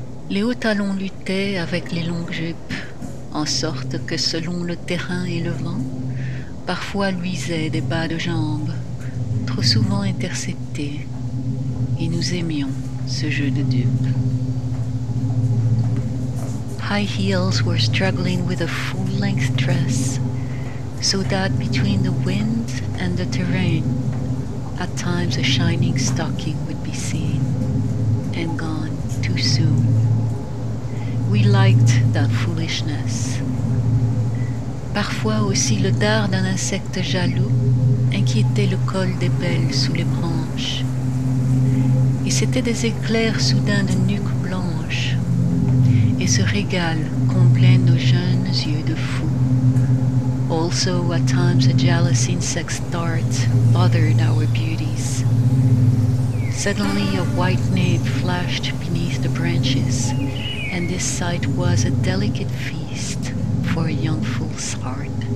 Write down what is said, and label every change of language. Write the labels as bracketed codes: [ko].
[fr] Les hauts talons luttaient avec les longues jupes, en sorte que selon le terrain et le vent, parfois luisaient des bas de jambes, trop souvent interceptés, et nous aimions ce jeu de dupes. [en] High heels were struggling with a full-length dress, so that between the wind and the terrain, at times a shining stocking would be seen, and gone too soon. We liked that foolishness. [fr] Parfois aussi le dard d'un insecte jaloux inquiétait le col des belles sous les branches. Et c'était des éclairs soudains de nuque blanche. Et ce régal comblait nos jeunes yeux de fou. [en] Also, at times, a jealous insect's dart bothered our beauties. Suddenly, a white nape flashed beneath the branches, and this sight was a delicate feast for a young fool's heart.